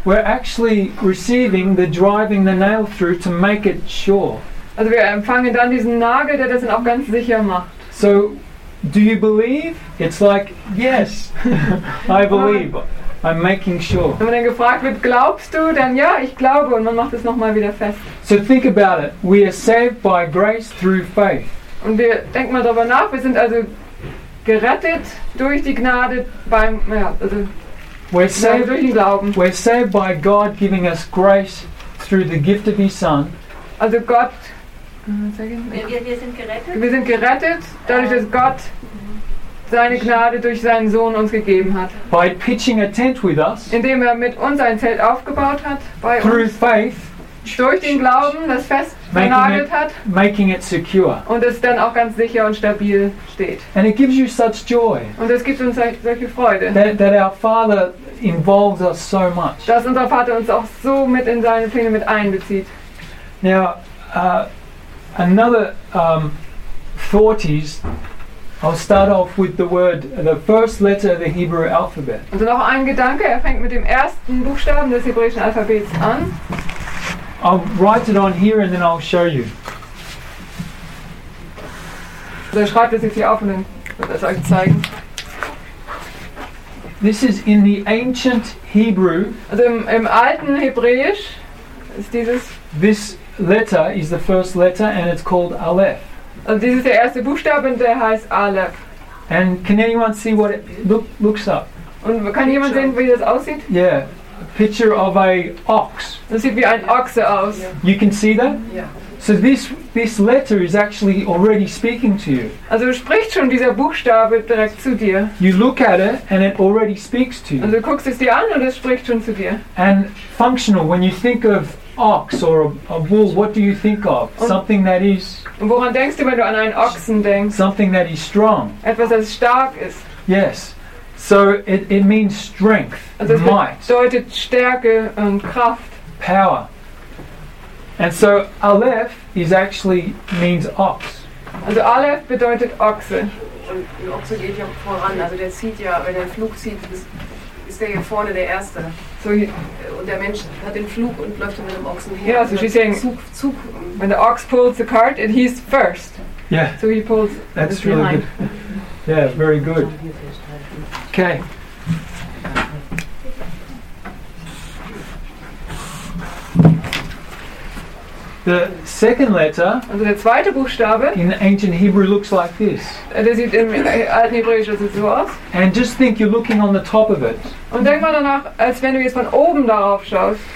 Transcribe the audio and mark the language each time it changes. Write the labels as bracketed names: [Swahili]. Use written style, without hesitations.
[English] we're actually receiving the driving the nail through to make it sure. [German] Also wir empfangen dann diesen Nagel, der das dann auch ganz sicher macht. [English] So, do you believe? It's like, yes, I believe. I'm making sure. [German] Wenn man dann gefragt wird, glaubst du? Dann ja, ich glaube. Und man macht es nochmal wieder fest. [English] So think about it. We are saved by grace through faith. [German] Und wir denken mal darüber nach. Wir sind also gerettet durch die Gnade durch den Glauben. [English] We're saved by God giving us grace through the gift of his Son. [German] Also Gott. Wir sind gerettet dadurch, dass Gott seine Gnade durch seinen Sohn uns gegeben hat. [English] By pitching a tent with us, [German] indem er mit uns ein Zelt aufgebaut hat, bei [English] through [German] uns, [English] faith, [German] durch den Glauben, das fest genagelt hat, [English] making it secure. [German] Und es dann auch ganz sicher und stabil steht. [English] And it gives you such joy, [German] und es gibt uns solche Freude, [English] that our Father involves us so much. [German] Dass unser Vater uns auch so mit in seine Pläne mit einbezieht. [English] Now, another thought is, I'll start off with the word, the first letter of the Hebrew alphabet. [German] Also noch ein Gedanke, er fängt mit dem ersten Buchstaben des hebräischen Alphabets an. [English] I'll write it on here and then I'll show you. [German] Also er schreibt es jetzt hier auf und dann wird er es euch zeigen. [English] This is in the ancient Hebrew. [German] Also im alten Hebräisch ist dieses. [English] This letter is the first letter and it's called Aleph. [German] Also dies ist der erste Buchstabe und der heißt Aleph. [English] And can anyone see what it looks up? [German] Und kann jemand sehen, wie das aussieht? [English] Yeah, a picture of a ox. [German] Das sieht wie ein Ochse aus. [English] Yeah. You can see that? Yeah. So this letter is actually already speaking to you. [German] Also spricht schon dieser Buchstabe direkt zu dir. [English] You look at it and it already speaks to you. [German] Also guckst es dir an und es spricht schon zu dir. [English] And functional, when you think of ox or a bull, what do you think of? Und something that is. [German] Und woran denkst du, wenn du an einen Ochsen denkst? [English] Something that is strong. [German] Etwas, das stark ist. [English] Yes. So it means strength, [German] also [English] might. [German] Bedeutet Stärke und Kraft. [English] Power. And so Aleph is actually means ox. [German] Also Aleph bedeutet Ochse. Und ein Ochse geht ja voran. Also der zieht ja, wenn er den Flug zieht, ist der hier vorne der Erste. So, und der Mensch hat den Flug und läuft dann mit dem Ochsen [English] her. Yeah, so she's saying, Zug. When the ox pulls the cart, and he's first. Yeah. So he pulls. That's really good. Yeah, very good. Okay. The second letter. [German] Also der zweite Buchstabe. [English] In ancient Hebrew looks like this. [German] Der sieht im alten Hebräisch also so aus. [English] And just think, you're looking on the top of it. [German] Und denk mal danach, als wenn du jetzt von oben darauf schaust.